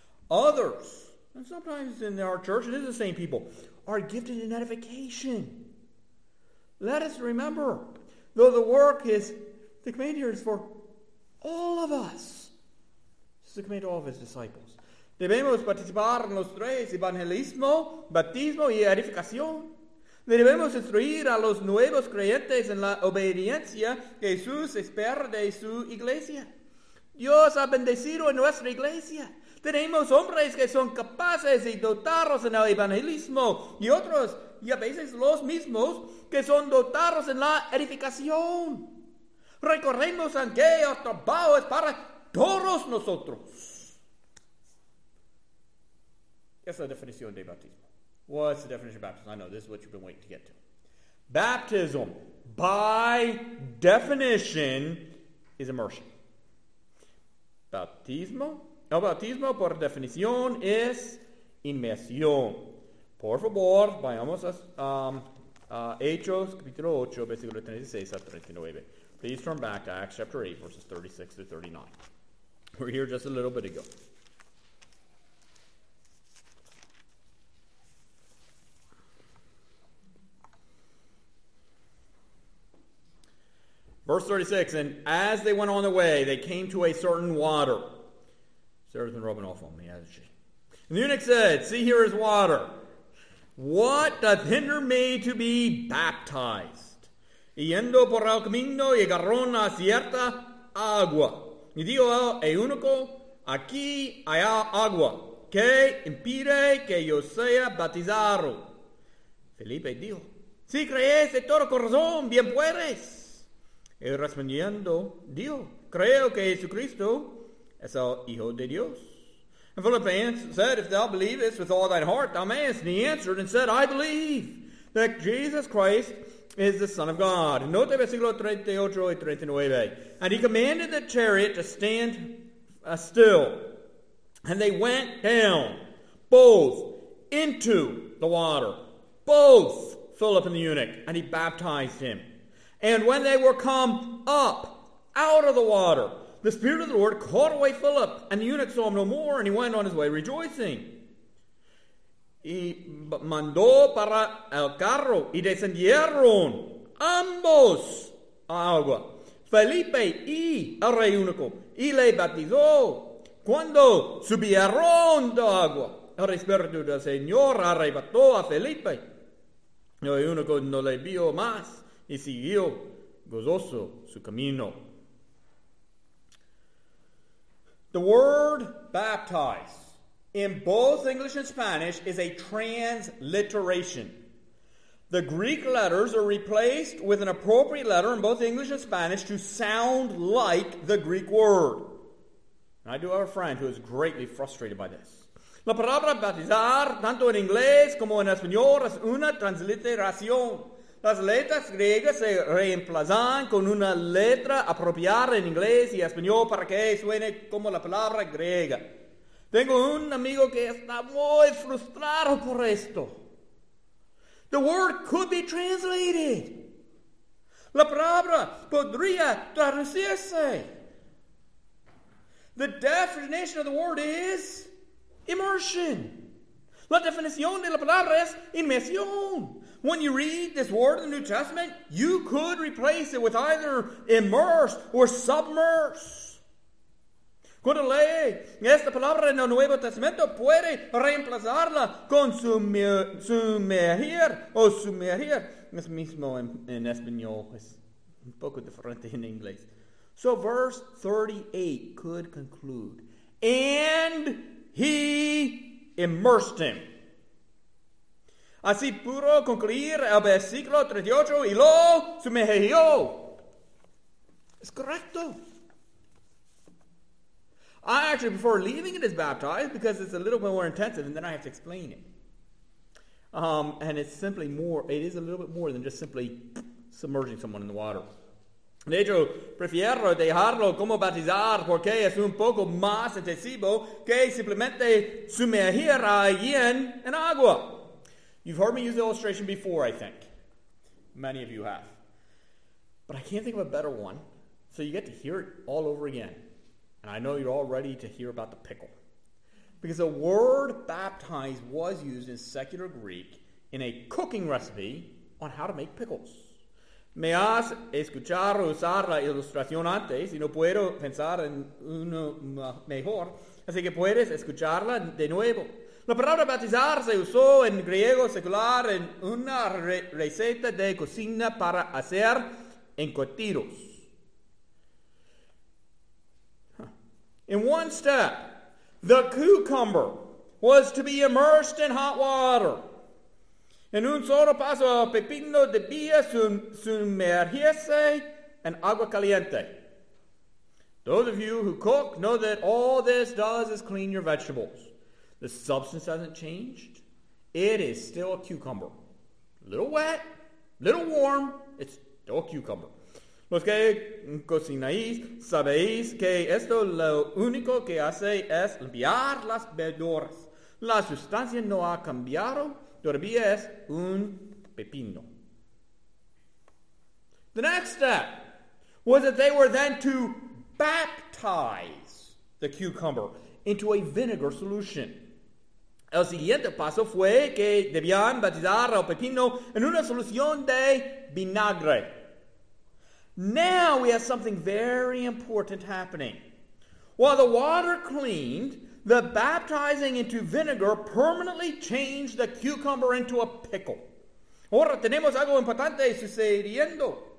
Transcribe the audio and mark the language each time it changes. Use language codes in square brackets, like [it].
[en] Others, and sometimes in our church, it is the same people, are gifted in edification. Let us remember, though the work is, the command here is for all of us. This is a command to all of his disciples. [es] Debemos participar en los tres, evangelismo, bautismo y edificación. Debemos instruir a los nuevos creyentes en la obediencia que Jesús espera de su iglesia. Dios ha bendecido a nuestra iglesia. Tenemos hombres que son capaces de dotarlos en el evangelismo y otros, y a veces los mismos, que son dotados en la edificación. Recordemos que el trabajo es para todos nosotros. Esa es la definición de bautismo. [en] What's the definition of baptism? I know, this is what you've been waiting to get to. Baptism, by definition, is immersion. [es] Bautismo, el bautismo por definición es inmersión. Por favor, vayamos a Hechos, capítulo 8, versículo 36 a 39. [en] Please turn back to Acts chapter 8, verses 36 to 39. We're here just a little bit ago. Verse 36, and as they went on the way, they came to a certain water. Sarah's been rubbing off on me, hasn't she? And the eunuch said, see, here is water. What doth hinder me to be baptized? [es] Yendo por el camino, llegaron a cierta agua. Y dijo el eunuco, aquí hay agua. che impide che io sia battezzato? Felipe dijo, si crees de todo corazón, bien puedes. Y respondiendo, dijo, creo que Jesucristo es el Hijo de Dios. [en] And Philip said, if thou believest with all thine heart, thou mayest. And he answered and said, I believe that Jesus Christ is the Son of God. Note [es] versículo 38 y 39. [en] And he commanded the chariot to stand still. And they went down, both into the water, both Philip and the eunuch, and he baptized him. And when they were come up out of the water, the Spirit of the Lord caught away Philip, and the eunuch saw him no more, and he went on his way rejoicing. [es] Y mandó para el carro, y descendieron ambos a agua, Felipe y el rey eunuco, y le bautizó. Cuando subieron de agua, el Espíritu del Señor arrebató a Felipe. El eunuco no le vio más y siguió gozoso su camino. [en] The word baptize in both English and Spanish is a transliteration. The Greek letters are replaced with an appropriate letter in both English and Spanish to sound like the Greek word. And I do have a friend who is greatly frustrated by this. [es] La palabra bautizar, tanto en inglés como en español, es una transliteración. Las letras griegas se reemplazan con una letra apropiada en inglés y español para que suene como la palabra griega. Tengo un amigo que está muy frustrado por esto. [en] The word could be translated. [es] La palabra podría traducirse. [en] The definition of the word is immersion. [es] La definición de la palabra es inmersión. [en] When you read this word in the New Testament, you could replace it with either immerse or submerse. [es] Cuando lee esta palabra en el Nuevo Testamento, puede reemplazarla con sumergir o sumergir. Es mismo en español, es un poco diferente en inglés. [en] So verse 38 could conclude, and he immersed him. [es] Así pudo concluir el versículo 38 y lo sumergió. Es correcto. [en] I actually, before leaving it, is baptized because it's a little bit more intensive and then I have to explain it. And it's simply more, it is a little bit more than just simply submerging someone in the water. [es] De hecho, prefiero dejarlo como bautizar porque es un poco más intensivo que simplemente sumergir a alguien en agua. [en] You've heard me use the illustration before, I think. Many of you have. But I can't think of a better one, so you get to hear it all over again. And I know you're all ready to hear about the pickle. Because the word baptize was used in secular Greek in a cooking recipe on how to make pickles. [es] Me has escuchado usar la ilustración antes y no puedo pensar en uno mejor, así que puedes escucharla de nuevo. La palabra bautizar se usó en griego secular en una receta de cocina para hacer encurtidos. [en] In one step, the cucumber was to be immersed in hot water. [es] En un solo paso, el pepino debía sumergirse en agua caliente. [en] Those of you who cook know that all this does is clean your vegetables. The substance hasn't changed. It is still a cucumber. A little wet, a little warm, it's still a cucumber. [es] Los que cocináis sabéis que esto lo único que hace es limpiar las verduras. La sustancia no ha cambiado. Todavía es un pepino. [en] The next step was that they were then to baptize the cucumber into a vinegar solution. [es] El siguiente paso fue que debían bautizar el pepino en una solución de vinagre. [en] Now we have something very important happening. While the water cleaned, the baptizing into vinegar permanently changed the cucumber into a pickle. [es] Ahora tenemos algo importante sucediendo.